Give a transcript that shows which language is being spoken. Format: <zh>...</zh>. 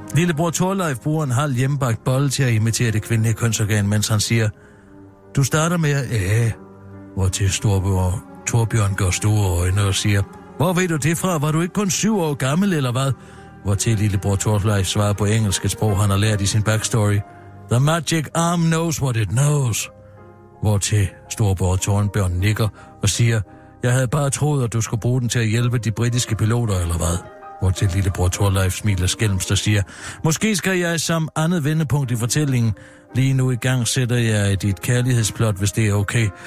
<da>Lillebror Torleif bruger en halv hjemmebagt bolle til at imitere det kvindelige kønsorgan, mens han siger, du starter med at hvor til storebror Torbjørn gør store øjne og siger, hvor ved du det fra? Var du ikke kun 7 år gammel, eller hvad? Hvortil lillebror Torfleif svarer på engelsk et sprog, han har lært i sin backstory.</da> <en>The magic arm knows what it knows.</en> <da>Hvortil storebror Tornbjørn nikker og siger, jeg havde bare troet, at du skulle bruge den til at hjælpe de britiske piloter, eller hvad? Hvortil lillebror Torfleif smiler skælmst og siger, måske skal jeg som andet vendepunkt i fortællingen. Lige nu i gang sætter jeg dit kærlighedsplot, hvis det er okay.</da>